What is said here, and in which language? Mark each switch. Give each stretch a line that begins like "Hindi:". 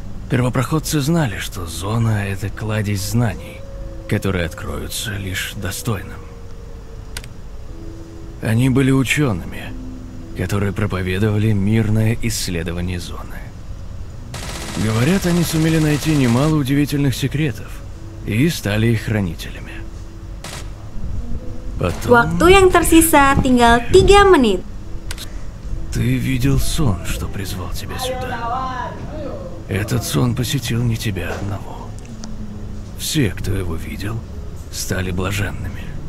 Russian: Первопроходцы знали, что зона — это кладезь знаний, которые откроются лишь достойным. Они были учеными, которые проповедовали мирное исследование зоны. Говорят, они сумели найти немало удивительных секретов и стали их хранителями. Потом...
Indonesian: Waktu yang tersisa tinggal 3 menit.
Russian: Ты видел сон, что призвал тебя сюда. Этот сон посетил не тебя одного. Все, кто его видел, стали блаженными.